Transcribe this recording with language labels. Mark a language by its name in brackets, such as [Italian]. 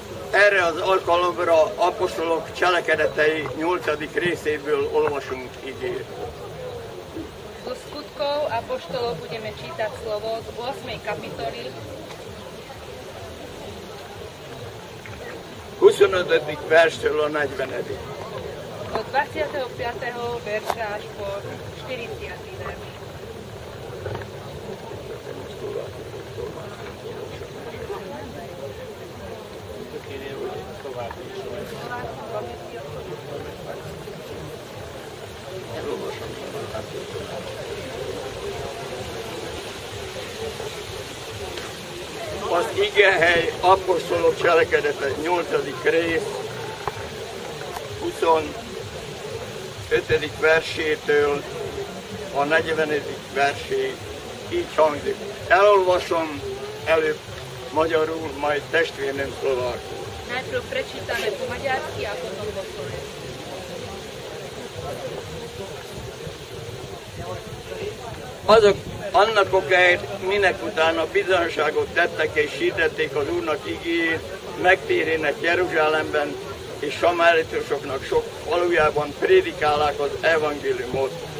[Hungarian] Erre az alkalomra apostolok cselekedetei 8. részéből olvasunk igét. [Slovak] Zo skutkov apostolov budeme čítať slovo z 8. kapitoly. [Hungarian] 25. verstől a 40. [Slovak] Od 25. versa až po 40. verš. [Hungarian] Az igehely apostolok cselekedete 8. rész 20 ötödik versétől a 40. verséig így hangzik. Elolvasom előbb magyarul, majd testvérnőm szlovákul. [Slovak] Najprv prečítame po maďarsky a potom po slovensky. [Hungarian] Azok annak okáért, minek utána bizonságot tettek és hirdették az Úrnak igéjét, megtérének Jeruzsálemben és samáritusoknak sok falujában prédikálák az evangéliumot.